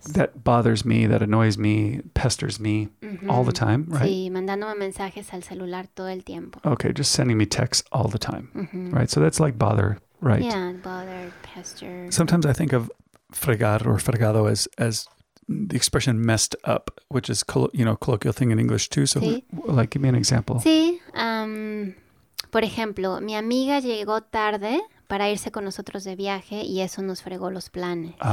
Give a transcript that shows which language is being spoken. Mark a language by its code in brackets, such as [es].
[en] That bothers me, that annoys me, pesters me all the time, right? [es] Sí, mandándome mensajes al celular todo el tiempo. [en] Okay, just sending me texts all the time, right? So that's like bother, right? Yeah, bother, pester. Sometimes I think of fregar or fregado as the expression messed up, which is, you know, colloquial thing in English too. So, [es] sí. [en] Like, give me an example. [es] Sí. Por ejemplo, mi amiga llegó tarde para irse con nosotros de viaje y eso nos fregó los planes.